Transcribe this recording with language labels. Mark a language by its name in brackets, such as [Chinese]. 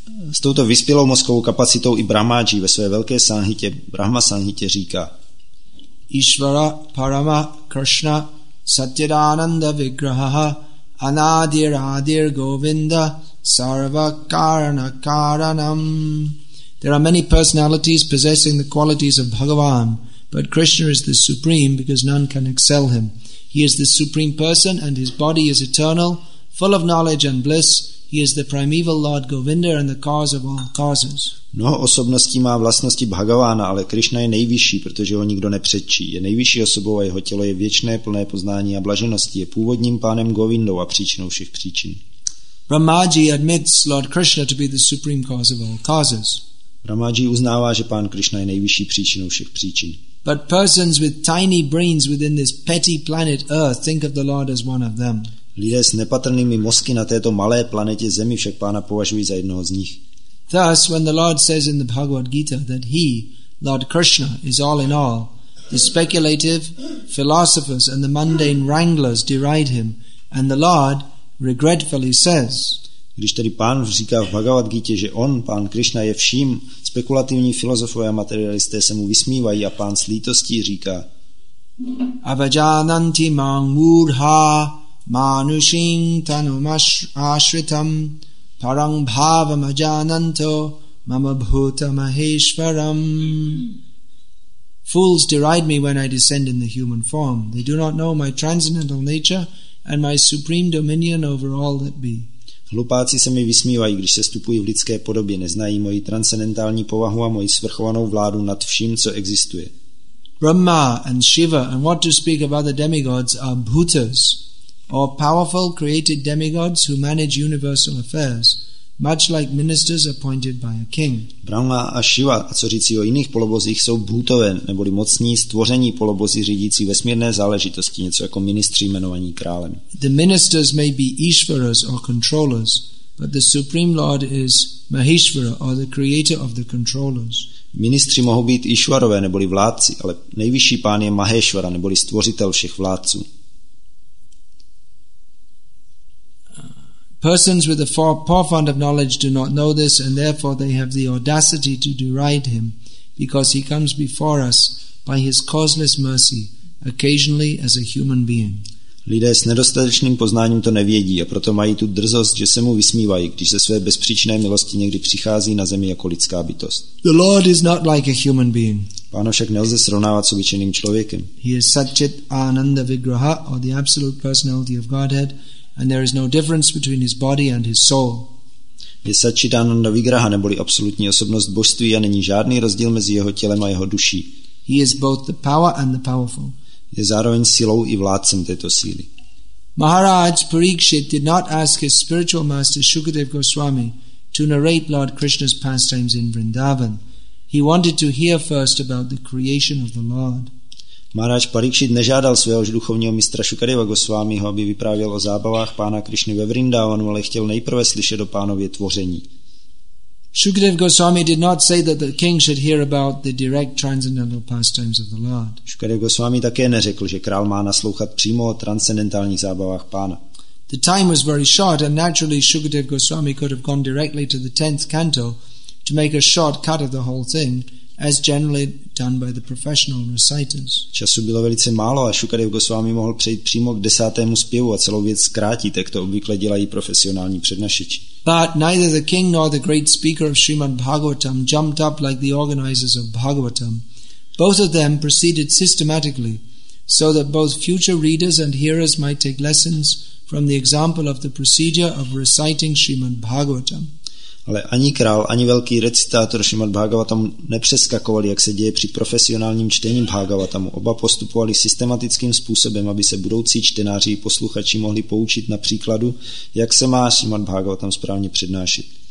[Czech] S touto vyspělou mozkovou kapacitou i Brahmaji ve své velké Sanghitě, Brahma Sanghitě říká: [Sanskrit] Ishvara Parama Krishna Satyadananda Vigraha Anadir Adir Govinda Sarva Karana Karanam. [English] There are many personalities possessing the qualities of Bhagavan, but Krishna is the supreme because none can excel him. He is the supreme person and his body is eternal, full of knowledge and bliss. He is the primeval Lord Govinda and the cause of all causes. [Czech] Mnoho osobností má vlastnosti Bhagavána, ale Krishna je nejvyšší, protože ho nikdo nepředčí. Je nejvyšší osobou a jeho tělo je věčné, plné poznání a blaženosti. Je původním pánem Govindou a příčinou všech příčin. [English] Brahmaji admits Lord Krishna to be the supreme cause of all causes. [Czech] Brahmaji uznává, že pán Krishna je nejvyšší příčinou všech příčin. [English] But persons with tiny brains within this petty planet Earth think of the Lord as one of them. [Czech] Lidé s nepatrnými mozky na této malé planetě Zemi však pána považují za jednoho z nich. [English] Thus, when the Lord says in the Bhagavad Gita that he, Lord Krishna, is all in all, the speculative philosophers and the mundane wranglers deride him, and the Lord regretfully says, [Czech] když tedy pán říká v Bhagavad Gita, že on, pán Krishna, je vším, spekulativní filozofové a materialisté se mu vysmívají a pán s lítostí říká: [Sanskrit] Avajananti mang murha manushin tanumash ashritam parang bhavam ajananto mama bhuta maheshwaram. [English] Fools deride me when I descend in the human form. They do not know my transcendental nature and my supreme dominion over all that be. [Czech] Hlupáci se mi vysmívají, když se stupují v lidské podobě, neznají moji transcendentální povahu a moji svrchovanou vládu nad vším, co existuje. [English] Brahma and Shiva, and what to speak of other demigods, are bhutas, or powerful created demigods who manage universal affairs, much like ministers appointed by a king. [Czech] Brahma a Shiva, a co říci o jiných polobozích, jsou bhutové, neboli mocní stvoření polobozy řídící vesmírné záležitosti, něco jako ministři jmenovaní králem. [English] The ministers may be Ishvaras or controllers, but the Supreme Lord is Maheshvara or the creator of the controllers. [Czech] Ministři mohou být Ishvarové, neboli vládci, ale nejvyšší pán je Maheshvara, neboli stvořitel všech vládců. [English] Persons with a profound of knowledge do not know this, and therefore they have the audacity to deride him, because he comes before us by his causeless mercy, occasionally as a human being. [Czech] Lidé s nedostatečným poznáním to nevědí, a proto mají tu drzost, že se mu vysmívají, když ze své bezpříčné milosti někdy přichází na zemi jako lidská bytost. [English] The Lord is not like a human being. [Czech] Pán však nelze srovnávat s obyčejným člověkem. [English] He is Satchit Ananda Vigraha, or the absolute personality of Godhead, and there is no difference between his body and his soul. [Czech] Je Satchidananda Vigraha, neboli absolutní osobnost božství, a není žádný rozdíl mezi jeho tělem a jeho duší. [English] He is both the power and the powerful. [Czech] Je zároveň silou i vládcem této síly. [English] Maharaj Parikshit did not ask his spiritual master Shukadev Goswami to narrate Lord Krishna's pastimes in Vrindavan. He wanted to hear first about the creation of the Lord. [Czech] Maharaj Parikšit nežádal svého duchovního mistra Šukadeva Gosvámiho, aby vyprávěl o zábavách pána Krišny ve Vrindavanu, ale chtěl nejprve slyšet o pánově tvoření. [English] Shukadev Goswami did not say that the king should hear about the direct transcendental pastimes of the Lord. [Czech] Shukadev Goswami také neřekl, že král má naslouchat přímo o transcendentálních zábavách pána. [English] The time was very short and naturally Shukadev Goswami could have gone directly to the 10th canto to make a short cut of the whole thing, as generally done by the professional reciters. [Czech] Času bylo velice málo a Shukadev Goswami mohl přejít přímo k 10. zpěvu a celou věc zkrátit, jak to obvykle dělají profesionální přednašeči. [English] But neither the king nor the great speaker of Srimad Bhagavatam jumped up like the organizers of Bhagavatam. Both of them proceeded systematically, so that both future readers and hearers might take lessons from the example of the procedure of reciting Srimad Bhagavatam. [Czech] Ale ani král, ani velký recitátor Srimad Bhagavatam nepřeskakovali, jak se děje při profesionálním čtení Bhagavatamu. Oba postupovali systematickým způsobem, aby se budoucí čtenáři i posluchači mohli poučit na příkladu, jak se má Srimad Bhagavatam správně přednášet.